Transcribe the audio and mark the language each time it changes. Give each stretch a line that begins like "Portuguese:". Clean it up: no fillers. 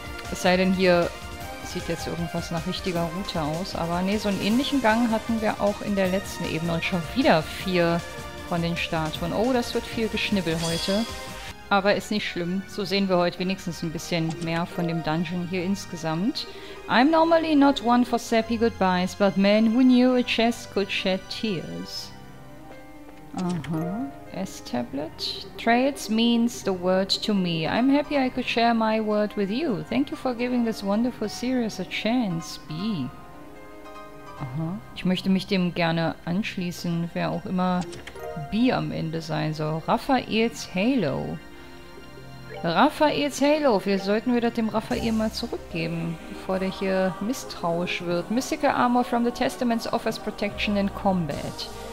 German: Es sei denn, hier sieht jetzt irgendwas nach richtiger Route aus. Aber nee, so einen ähnlichen Gang hatten wir auch in der letzten Ebene und schon wieder vier von den Statuen. Oh, das wird viel geschnibbel heute. Aber ist nicht schlimm. So sehen wir heute wenigstens ein bisschen mehr von dem Dungeon hier insgesamt.
English: I'm normally not one for sappy goodbyes, but man who knew a chest could shed tears. Aha. S-Tablet. Trails means the word to me. I'm happy I could share my word with you. Thank you for giving this wonderful series a chance. B. Aha.
German: Ich möchte mich dem gerne anschließen, wer auch immer B am Ende sein soll. Raphaels Halo. Vielleicht sollten wir das dem Raphael mal zurückgeben, bevor der hier misstrauisch wird.
English: Mystical Armor from the Testaments offers protection in combat.